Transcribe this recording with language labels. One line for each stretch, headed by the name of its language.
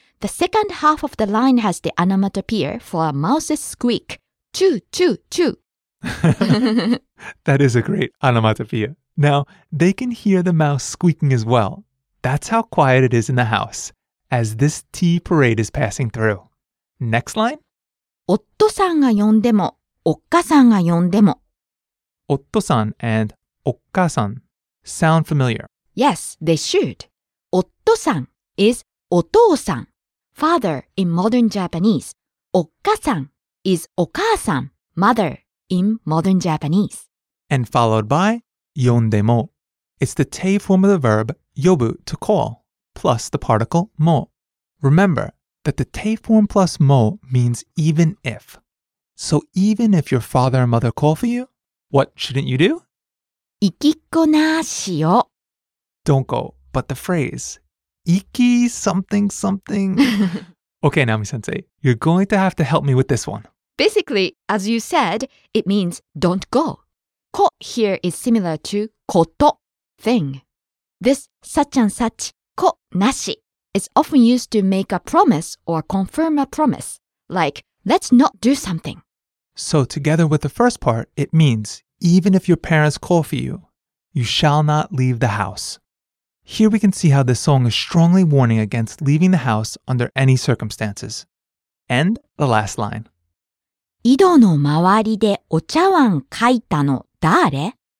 English: The second half of the line has the onomatopoeia for a mouse's squeak. Choo, choo, choo. That is a great onomatopoeia. Now, they can hear the mouse squeaking as well. That's how quiet it is in the house. As this tea parade is passing through. Next line?
Japanese: 夫さんが呼んでも、おっかさんが呼んでも。
English: 夫さん and おっかさん sound familiar. Yes, they should. 夫さん is お父さん。 Father in modern Japanese. おっかさん is お母さん。 Mother in modern Japanese. And followed by 呼んでも。 It's the te form of the verb 呼ぶ to call. Plus the particle も. Remember that the te form plus も means even if. So even if your father and mother call for you, what shouldn't you do?
Japanese: 行きっこなしよ.
English: Don't go. But the phrase, 行き something something. Okay, Naomi sensei, you're going to have to help me with this one. Basically, as you said, it means don't go. こ here is similar to こと, thing. This such and such. こなし is often used to make a promise or confirm a promise, like, let's not do something. So together with the first part, it means, even if your parents call for you, you shall not leave the house. Here we can see how this song is strongly warning against leaving the house under any circumstances. And the last line.
Japanese: 井戸の周りでお茶碗かいたの誰?